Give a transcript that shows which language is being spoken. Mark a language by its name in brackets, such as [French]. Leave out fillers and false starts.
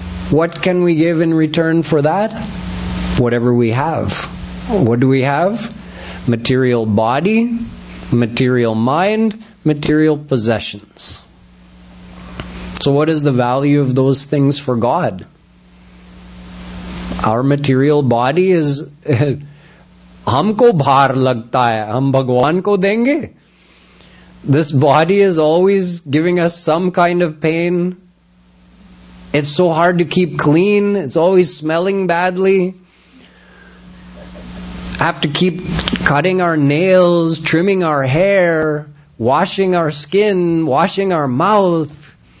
[English] What can we give in return for that? Whatever we have. What do we have? Material body, material mind, material possessions. So what is the value of those things for God? Our material body is... [Hindi] हमको भार लगता है, हम भगवान को देंगे. [English] This body is always giving us some kind of pain. It's so hard to keep clean. It's always smelling badly. I have to keep cutting our nails, trimming our hair, washing our skin, washing our mouth.